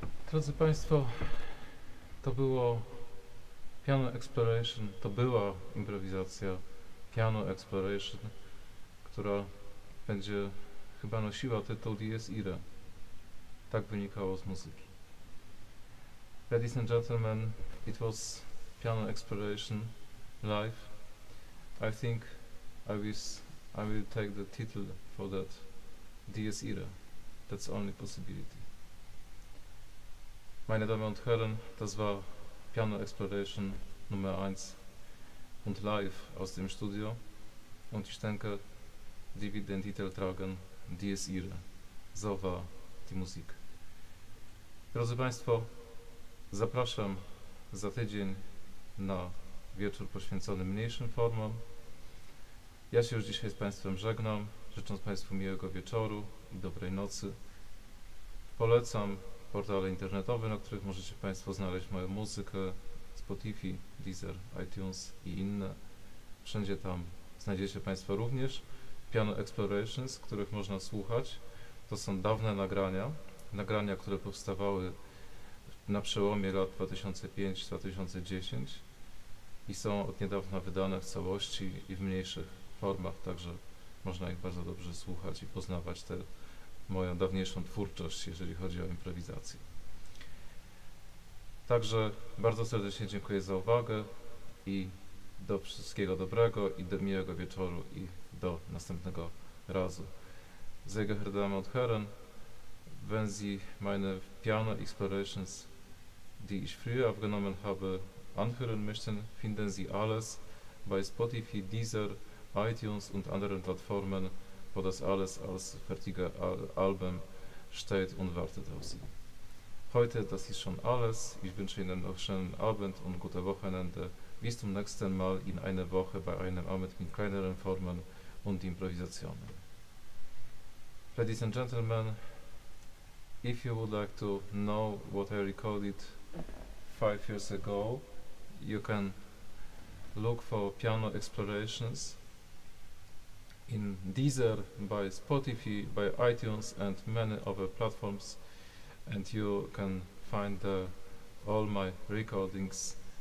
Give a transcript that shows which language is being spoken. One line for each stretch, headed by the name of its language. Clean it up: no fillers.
Polish: Drodzy Państwo, to było Piano Exploration, to była improwizacja Piano Exploration, która będzie chyba nosiła tytuł Dies Irae. Tak wynikało z muzyki.
English: Ladies and gentlemen, it was Piano Exploration live. I think I will take the title for that, Dies Irae. That's the only possibility.
German: Meine Damen und Herren, das war Piano Exploration Nummer 1 und live aus dem Studio. Und ich denke, die wird den Titel tragen, Dies Irae. So war die Musik.
Polish: Drodzy Państwo, zapraszam za tydzień na wieczór poświęcony mniejszym formom. Ja się już dzisiaj z Państwem żegnam, życząc Państwu miłego wieczoru i dobrej nocy. Polecam portale internetowe, na których możecie Państwo znaleźć moją muzykę, Spotify, Deezer, iTunes i inne. Wszędzie tam znajdziecie Państwo również Piano Explorations, których można słuchać. To są dawne nagrania, nagrania, które powstawały na przełomie lat 2005-2010 i są od niedawna wydane w całości i w mniejszych formach, także można ich bardzo dobrze słuchać i poznawać te moją dawniejszą twórczość, jeżeli chodzi o improwizację. Także bardzo serdecznie dziękuję za uwagę i do wszystkiego dobrego i do miłego wieczoru i do następnego razu.
German: Sehr geehrte Damen und Herren, wenn Sie meine Piano Explorations, die ich früher aufgenommen habe, anhören möchten, finden Sie alles bei Spotify, Deezer, iTunes und anderen Plattformen, wo das alles als fertiger Album steht und wartet auf Sie. Heute, das ist schon alles. Ich wünsche Ihnen noch schönen Abend und gute Wochenende. Bis zum nächsten Mal in einer Woche bei einem Abend mit kleineren Formen und Improvisationen.
English: Ladies and gentlemen, if you would like to know what I recorded 5 years ago, you can look for Piano Explorations in Deezer, by Spotify, by iTunes and many other platforms, and you can find all my recordings.